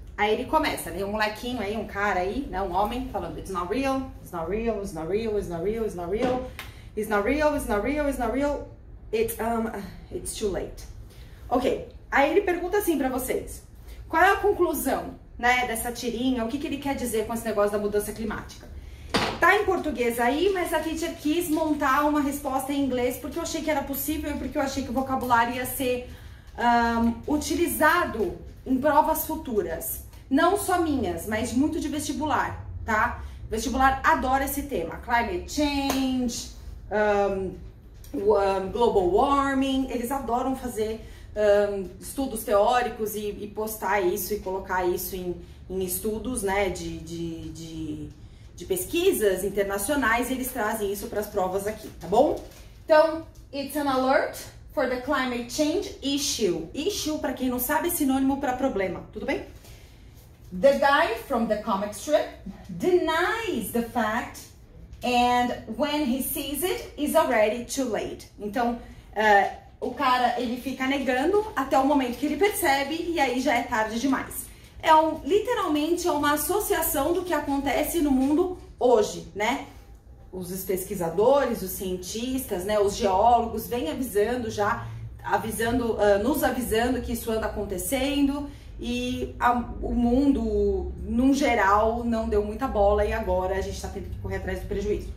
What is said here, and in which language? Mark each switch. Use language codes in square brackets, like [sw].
[pt] Aí ele começa, né? Um molequinho aí, um cara aí, né? Um homem falando, [en] it's not real, it's not real, it's not real, it's not real, it's not real, it's not real, it's not real, it's not real, it's, it's too late. [pt] Ok, aí ele pergunta assim pra vocês, qual é a conclusão, né, dessa tirinha, o que, que ele quer dizer com esse negócio da mudança climática? Tá em português aí, mas a teacher quis montar uma resposta em inglês porque eu achei que era possível e porque eu achei que o vocabulário ia ser utilizado em provas futuras. Não só minhas, mas muito de vestibular, tá? O vestibular adora esse tema. Climate change, global warming, eles adoram fazer estudos teóricos e postar isso e colocar isso em estudos, né, de pesquisas internacionais, e eles trazem isso para as provas aqui, tá bom? [en] Então, it's an alert for the climate change issue. [pt] Issue, para quem não sabe, é sinônimo para problema, tudo bem? [en] The guy from the comic strip denies the fact and when he sees it, is already too late. [pt] Então, o cara, ele fica negando até o momento que ele percebe e aí já é tarde demais. É um, literalmente, é uma associação do que acontece no mundo hoje, né? Os pesquisadores, os cientistas, né? Os geólogos vêm avisando já, avisando, nos avisando que isso anda acontecendo e o mundo, num geral, não deu muita bola e agora a gente tá tendo que correr atrás do prejuízo.